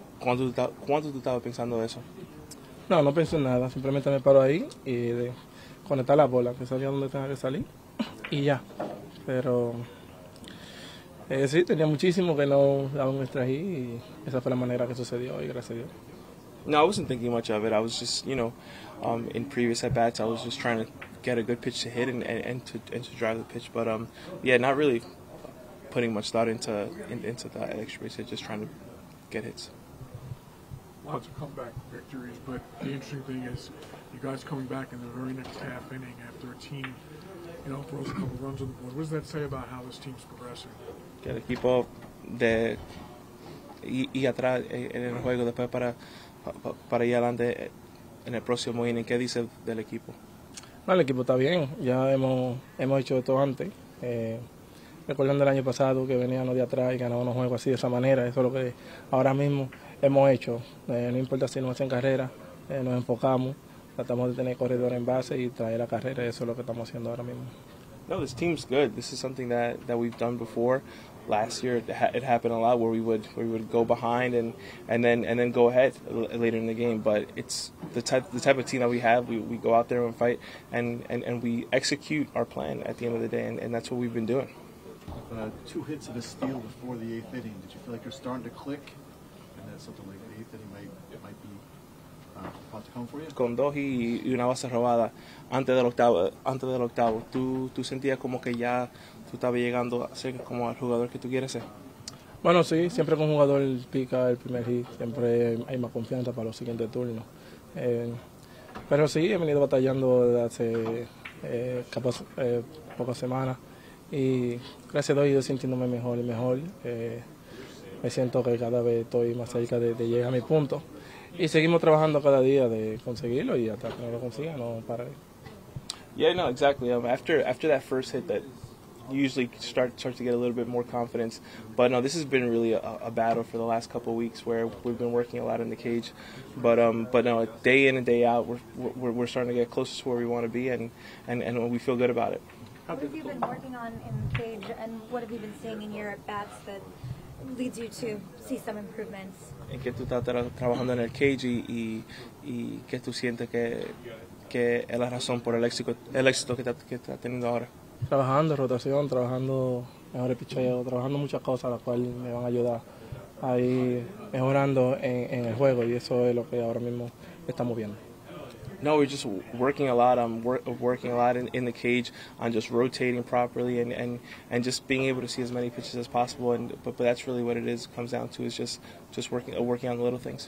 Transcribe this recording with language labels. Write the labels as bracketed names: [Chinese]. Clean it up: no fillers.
[Spanish] ¿Cuánto tú estabas pensando eso? No, no pensé en nada. Simplemente me paro ahí y de conectar la bola, que sabía dónde tenía que salir y ya. Pero sí, tenía muchísimo que no daba un extra hit y esa fue la manera que sucedió y gracias a Dios. [English] No, I wasn't thinking much of it. I was just, you know, in previous at bats, I was just trying to get a good pitch to hit and to drive the pitch. But yeah, not really putting much thought into the extra base hit, just trying to get hits. Lots of comeback victories, but the interesting thing is you guys coming back in the very next half inning after a team, you know, throws a couple runs on the board. What does that say about how this team's progressing? [Spanish] Que el equipo de y atrás en el juego después para para ir adelante en el próximo inning. ¿Qué dice del equipo? No, el equipo está bien. Ya hemos hecho esto antes. Recordando el año pasado que veníamos de atrás y ganábamos un juego así de esa manera. Eso es lo que ahora mismo hemos hecho. No importa si no hacen carrera, nos enfocamos. Tratamos de tener corredor en base y traer la carrera. Eso es lo que estamos haciendo ahora mismo. [English] No, this team's good. This is something that we've done before. Last year it happened a lot where we would go behind and then go ahead later in the game. But it's the type of team that we have. We go out there and fight and we execute our plan at the end of the day, and that's what we've been doing. Two hits and a steal before the eighth inning. Did you feel like you're starting to click, and that something like the eighth inning might be about to come for you? [Spanish] Con dos y una base robada antes del octavo. Tú sentías como que ya tú estabas llegando a ser como el jugador que tú quieres ser. Bueno, sí. Siempre con un jugador pica el primer hit. Siempre hay más confianza para los siguientes turnos. Pero sí, he venido batallando desde hace pocas semanas. Y gracias a Dios, yo sintiéndome mejor y mejor. Me siento que cada vez estoy más cerca de llegar a mi punto. Y seguimos trabajando cada día de conseguirlo y hasta que no lo consiga, no pararé. [English] Yeah, no, exactly. After that first hit, that usually starts to get a little bit more confidence. But no, this has been really a battle for the last couple of weeks where we've been working a lot in the cage. But no, day in and day out, we're starting to get closer to where we want to be, and we feel good about it. What have you been working on in the cage, and what have you been seeing in your at-bats that leads you to see some improvements? [Spanish] En que tú estás trabajando en el cage y que tú sientes que es la razón por el éxito que está teniendo ahora. Trabajando rotación, trabajando mejores picheos, trabajando muchas cosas las cuales me van a ayudar a ir mejorando en el juego, y eso es lo que ahora mismo estamos viendo. [English] No, we're just working a lot. Working a lot in the cage on just rotating properly and just being able to see as many pitches as possible. But that's really what it comes down to, is just working on the little things.